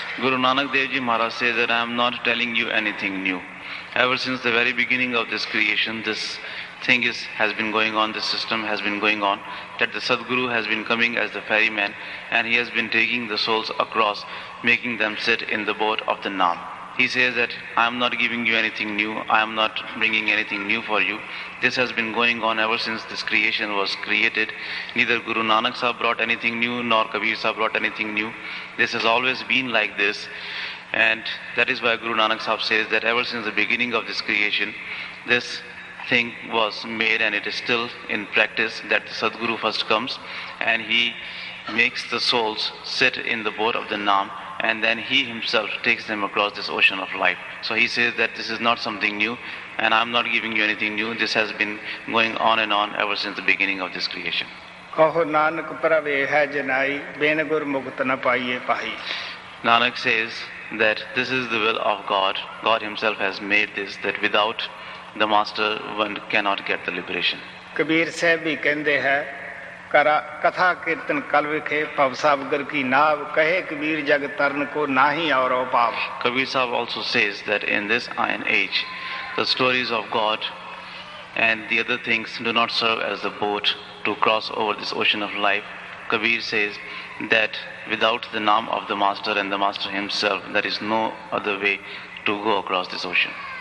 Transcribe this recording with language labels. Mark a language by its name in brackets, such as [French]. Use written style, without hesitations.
[English] Guru Nanak Dev ji Maharaj says that I am not telling you anything new. Ever since the very beginning of this creation, this thing is has been going on, this system has been going on, that the Satguru has been coming as the ferry man and he has been taking the souls across, making them sit in the boat of the Naam. He says that I am not giving you anything new, I am not bringing anything new for you, this has been going on ever since this creation was created. Neither Guru Nanak sahib brought anything new nor Kabir sahib brought anything new, this has always been like this. And that is why Guru Nanak sahib says that ever since the beginning of this creation this thing was made and it is still in practice, that the Sadguru first comes and he makes the souls sit in the boat of the naam and then he himself takes them across this ocean of life. So he says that this is not something new and I'm not giving you anything new, this has been going on and on ever since the beginning of this creation. [Punjabi] Kaho Nanak parave hai janai bin gur mukt na paiye pahi. [English] Nanak says that this is the will of God, God himself has made this, that without the master one cannot get the liberation. [Punjabi] Kabir sahib bhi kende hai ਕਥਾ ਕੀਰਤਨ ਕਲ ਵਿਖੇ ਭਵ ਸਾਹਿਬ ਗੁਰ ਕੀ ਨਾਵ ਕਹੇ ਕਬੀਰ ਜਗ ਤਰਨ ਕੋ ਨਾਹੀ ਔਰ ਉਪਾਵ। [English] Kabir Sahib also says that in this iron age the stories of God and the other things do not serve as the boat to cross over this ocean of life. Kabir says that without the name of the Master and the Master himself, there is no other way to go across this ocean.